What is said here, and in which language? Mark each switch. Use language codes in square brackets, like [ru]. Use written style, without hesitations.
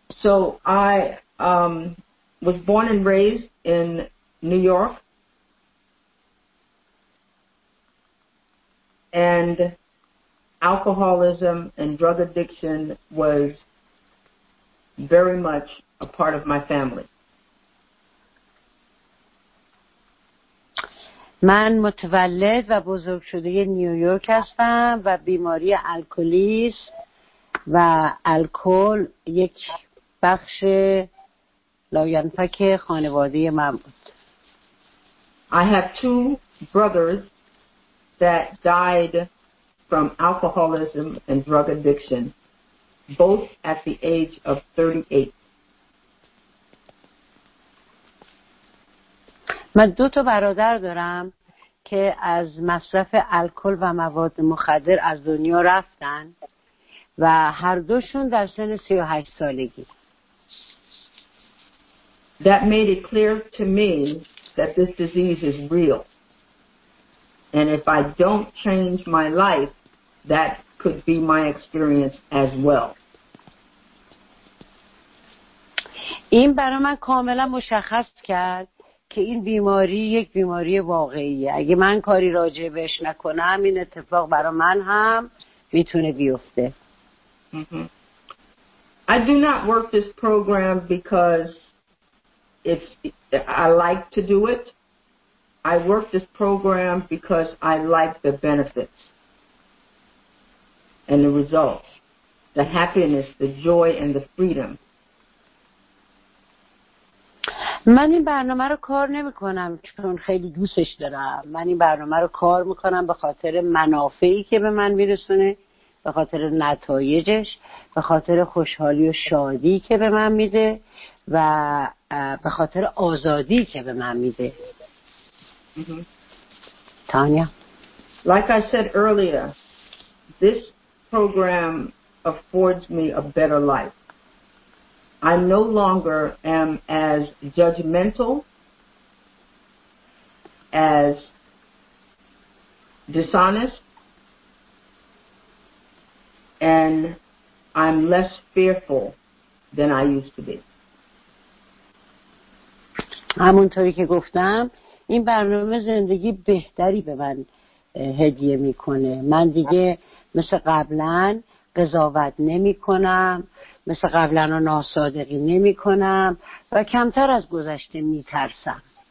[en] So I was born and raised in New York. And alcoholism and drug addiction was very much a part of my family. [fa] من متولد و بزرگ شده نیویورک هستم و بیماری الکلیس و الکل یک بخش لاینفک خانواده من بود. [en] I have two brothers that died from alcoholism and drug addiction. Both at the age of 38. [fa] من دو تا برادر دارم که از مصرف الکل و مواد مخدر از دنیا رفتن و هر دوشون در سن 38 سالگی. [en] that made it clear to me that this disease is real. And if I don't change my life, that could be my experience as well. [fa] این برای من کاملا مشخص کرد که این بیماری یک بیماری واقعیه. اگه من کاری راجع بهش نکنم، این اتفاق برای من هم میتونه بیفته. [en] I do not work this program because I like to do it. I work this program because I like the benefits and the results, the happiness, the joy, and the freedom. [fa] من این برنامه رو کار نمی کنم چون خیلی دوستش دارم. من این برنامه رو کار می کنم به خاطر منافعی که به من می رسونه، به خاطر نتایجش، به خاطر خوشحالی و شادی که به من میده و به خاطر آزادی که به من میده. [en] Tanya. Like I said earlier, this program affords me a better life. I no longer am as judgmental, as dishonest, and I'm less fearful than I used to be. [fa] همونطوری که گفتم، این برنامه زندگی بهتری به من هدیه میکنه. من دیگه مثل قبلن قضاوت نمی کنم، مثل قبلن رو ناسادقی نمی کنم و کمتر از گذشته می ترسم.